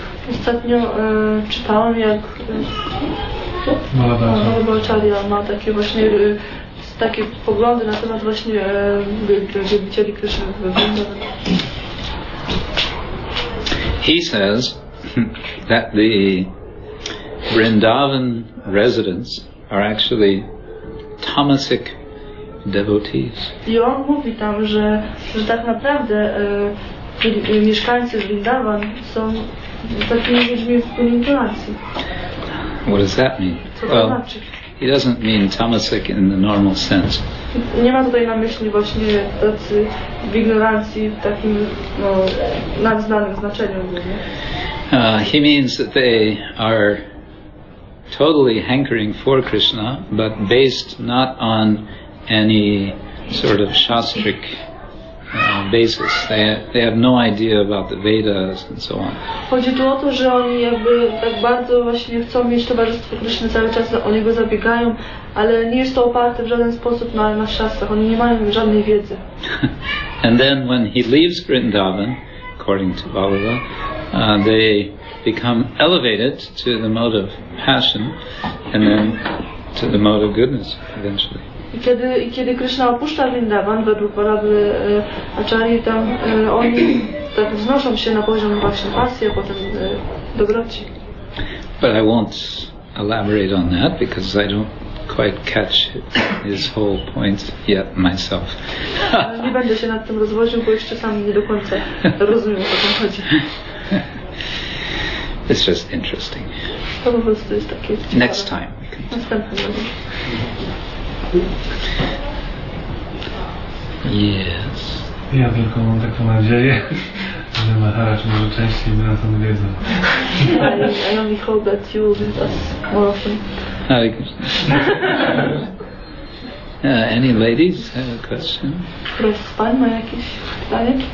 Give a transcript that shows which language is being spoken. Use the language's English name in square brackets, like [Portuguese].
[Polish] Ostatnio czytałam, jak Vallabhacharya ma takie właśnie takie poglądy na temat właśnie wielbicieli Krishna w Vrindavan. [English] He says that the Vrindavan residents are actually tamasic devotees. [Polish] I on mówi tam, że tak naprawdę mieszkańcy Vrindavan są takimi ludźmi w kontemplacji. [English] What does that mean? Well, he doesn't mean tamasic in the normal sense. [Polish] Nie ma tutaj na myśli właśnie tacy w ignorancji w takim nadznanym znaczeniu. [English] He means that they are totally hankering for Krishna, but based not on any sort of shastric basis. They have no idea about the Vedas and so on. [Polish] Chodzi tu o to, że oni jakby tak bardzo właśnie chcą mieć towarzystwo Krishna cały czas, o niego zabiegają, ale nie jest to oparte w żaden sposób na szastach. Oni nie mają żadnej wiedzy. [English] And then when he leaves Vrindavan, according to Balava, they become elevated to the mode of passion and then to the mode of goodness eventually. [Polish] I kiedy Krishna opuszcza Vrindavan, według Balavy Achary, tam oni tak wznoszą się na poziom właśnie pasji, a potem dobroci. [English] But I won't elaborate on that because I don't quite catch his whole point yet myself. [Polish] Nie będę się nad tym rozwodził, bo jeszcze sam nie do końca rozumiem, o co tam chodzi. [English] It's just interesting. [Polish] To po prostu jest takie ciekawe. [English] Next time. Yes. [Polish] Ja tylko mam taką nadzieję, że Maharaj może częściej by nas odwiedzał. [English] I only hope that you will visit us more often. Hare Krishna. Any ladies have a question? [Polish] Proszę, pan ma jakieś pytanie?